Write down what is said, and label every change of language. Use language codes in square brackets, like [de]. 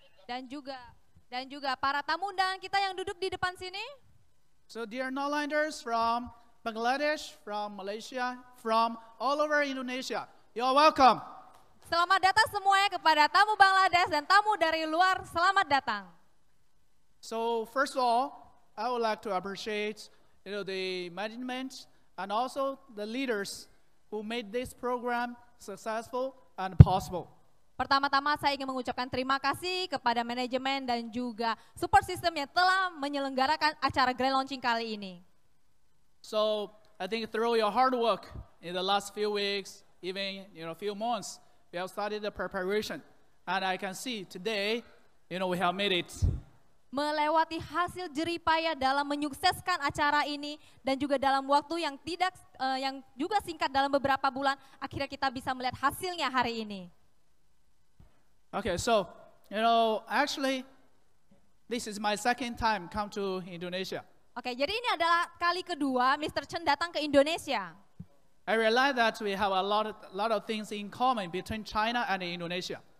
[id] Dan juga para tamu undangan kita yang duduk di depan sini. [en] So dear Norlanders from Bangladesh, from Malaysia, from all over Indonesia. You're welcome. [id] Selamat datang semuanya kepada tamu Bangladesh dan tamu dari luar. Selamat datang. [en] So first of all, I would like to appreciate the management and also the leaders who made this program successful and possible. [id] Pertama-tama saya ingin mengucapkan terima kasih kepada manajemen dan juga [en] support system [id] yang telah menyelenggarakan acara grand launching kali ini. [en] So, I think through your hard work in the last few weeks, even you know few months, we have started the preparation and I can see today you know we have made it. [id] Melewati hasil jerih payah dalam menyukseskan acara ini dan juga dalam waktu yang tidak yang juga singkat dalam beberapa bulan akhirnya kita bisa melihat hasilnya hari ini. [en] Okay, so you know actually this is my second time come to Indonesia. [id] Okay, jadi ini adalah kali kedua Mr. Chen datang ke Indonesia. [en] I realize that we have a lot of things in common between China and Indonesia.